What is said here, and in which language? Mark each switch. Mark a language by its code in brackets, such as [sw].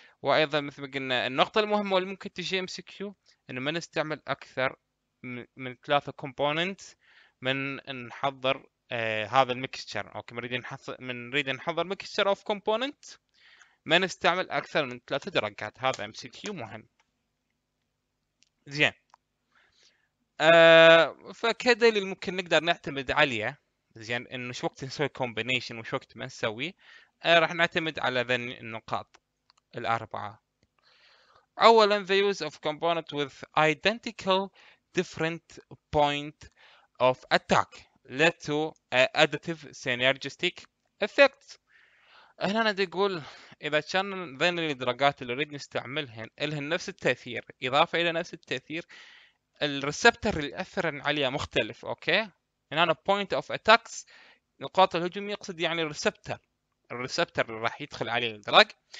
[ar] وايضا مثل ما قلنا النقطه المهمه اللي ممكن تجي ام سي كيو، انه ما نستعمل اكثر من 3 كومبوننت من نحضر هذا الميكستشر، اوكي نريد نحضر ميكستشر اوف كومبوننت، ما نستعمل اكثر من 3 درجات، هذا ام سي كيو مهم زين. فكدليل ممكن نقدر نعتمد عليه زين، انه شو وقت نسوي كومبينيشن وشو وقت ما نسوي، راح نعتمد على ذن النقاط الاربعه. [en] اولا the use of component with identical different point of attack led to additive synergistic effect. [ar] هنا انا اقول اذا كان ذن الدرجات اللي نريد نستعملهن لهن نفس التاثير، اضافه الى نفس التاثير الريسبتر اللي اثر عليها مختلف، اوكي هنا انا point of attacks نقاط الهجوم يقصد يعني الريسبتر اللي راح يدخل عليه الدرج.